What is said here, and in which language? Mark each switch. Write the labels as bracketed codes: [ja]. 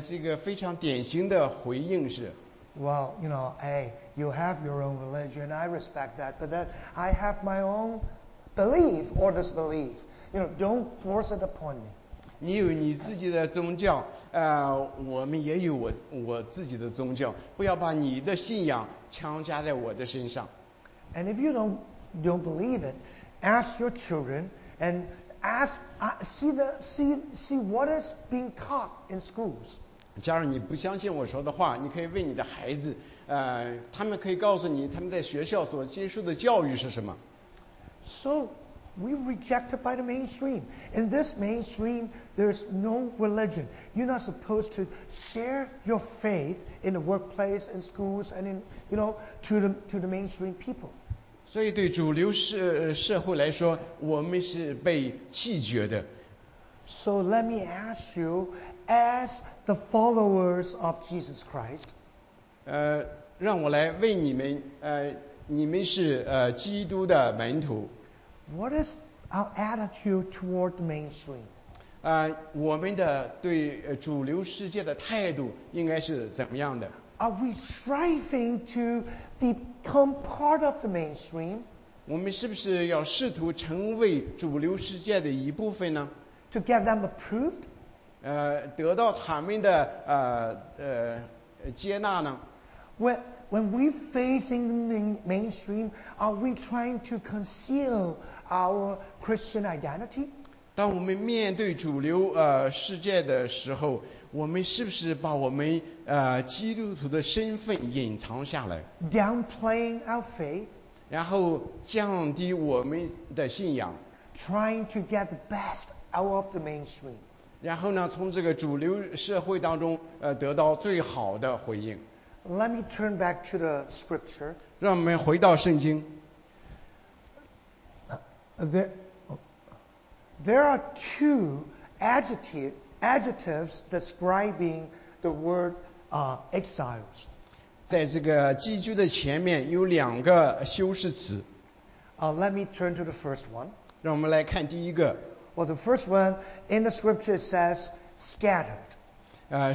[zh] 这个非常典型的回应是。 [en] Well, you know, hey, you have your own religion, I respect that, but that I have my own belief or disbelief. You know, don't force it upon me. [zh] 你有你自己的宗教，我们也有我自己的宗教，不要把你的信仰强加在我的身上。 [en] And if you don't believe it, ask your children and see what is being taught in schools. [zh] 假如你不相信我说的话，你可以问你的孩子，他们可以告诉你他们在学校所接受的教育是什么。 [en] So. We're rejected by the mainstream. In this mainstream, there's no religion. You're not supposed to share your faith in the workplace, in schools, and in, you know, to the mainstream people. [zh] 所以对主流社会来说，我们是被弃绝的。 [en] So let me ask you, as the followers of Jesus Christ, [zh] 让我来问你们，你们是基督的门徒。 [en] What is our attitude toward the mainstream? [zh] 我们的对主流世界的态度应该是怎么样的？ [en] Are we striving to become part of the mainstream? [zh] 我们是不是要试图成为主流世界的一部分呢？ [en] To get them approved? [zh] 得到他们的接纳呢？ [en] When we facing the mainstream, are we trying to conceal our Christian identity? [zh] 当我们面对主流世界的时候，我们是不是把我们基督徒的身份隐藏下来？ [en] Downplaying our faith. [zh] 然后降低我们的信仰。 [en] Trying to get the best out of the mainstream. [zh] 然后呢，从这个主流社会当中得到最好的回应。 [en] Let me turn back to the scripture. [zh] 让我们回到圣经。 [en] There are two adjectives describing the word exiles. [zh] 在这个寄居的前面有两个修饰词。 [en] Let me turn to the first one. [zh] 让我们来看第一个。 [en] Well, the first one in the scripture says scattered.